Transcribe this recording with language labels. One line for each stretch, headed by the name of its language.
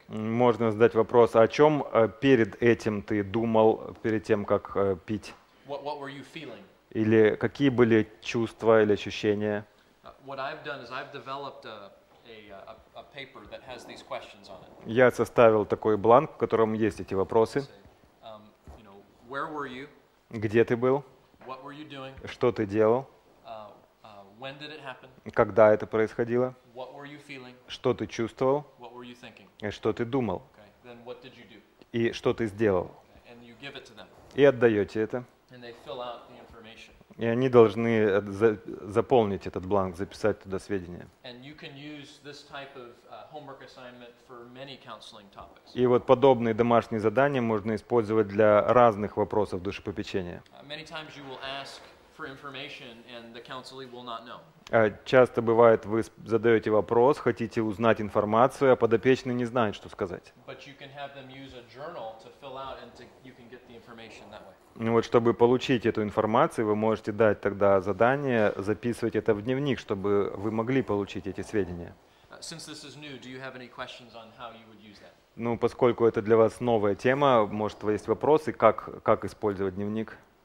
Russian: Можно задать вопрос, о чем перед этим ты думал, перед тем, как пить?
English: What were you feeling?
Russian: Или какие были чувства или ощущения?
English: What I've done is I've developed a paper that has these questions on it.
Russian: Я составил такой бланк, в котором есть эти вопросы.
English: You know, where were you?
Russian: Где ты был?
English: What were you doing?
Russian: Что ты делал?
English: When did it happen?
Russian: Когда это происходило?
English: What were you feeling?
Russian: Что ты чувствовал?
English: What were you thinking?
Russian: И что ты думал?
English: Okay. Then what did you do?
Russian: И что ты сделал?
English: Okay. And you give it to them.
Russian: И отдаете это.
English: And they fill out the information.
Russian: И они должны заполнить этот бланк, записать туда сведения.
English: And you can use this type of homework assignment for many counseling topics.
Russian: И вот подобные домашние задания можно использовать для разных вопросов душепопечения.
English: Many times you will ask for information and the counselee will not know.
Russian: Часто бывает, вы задаете вопрос, хотите узнать информацию, а подопечный не знает, что сказать.
English: But you can have them use a journal to fill out and you can get the information that way.
Russian: Ну вот, чтобы получить эту информацию, вы можете дать тогда задание записывать это в дневник, чтобы вы могли получить эти сведения.
English: Since this is new, do you have any questions on how you would use that?
Russian: Ну, поскольку это для вас новая тема, может, у вас есть вопросы, как использовать дневник?